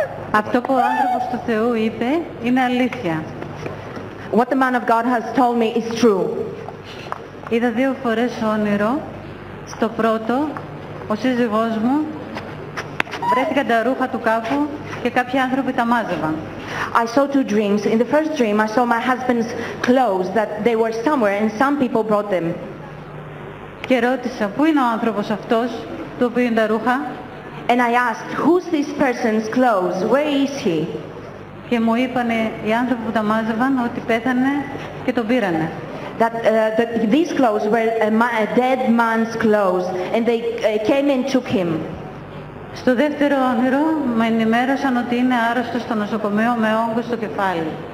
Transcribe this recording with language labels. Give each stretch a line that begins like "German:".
Greek: Αυτό που ο άνθρωπος του Θεού είπε είναι αλήθεια.
English: What the man of God has told me is true.
Greek: Είδα δύο φορές όνειρο. Στο πρώτο, ο σύζυγός μου βρέθηκαν τα ρούχα του κάπου και κάποιοι άνθρωποι τα μάζευαν.
English: I saw two dreams. In the first dream, I saw my husband's clothes that they were somewhere and some people brought them.
Greek: Και ρώτησα, πού είναι ο άνθρωπος αυτός, του που είναι τα ρούχα.
English: And I asked, who's this person's clothes, where is he?
Greek: Και μου είπανε οι άνθρωποι που τα μάζευαν ότι πέθανε και τον πήρανε.
English: That these clothes were a dead man's clothes and they came and took him.
Greek: Στο δεύτερο όνειρο με ενημέρωσαν ότι είναι άρρωστος στο νοσοκομείο με όγκο στο κεφάλι.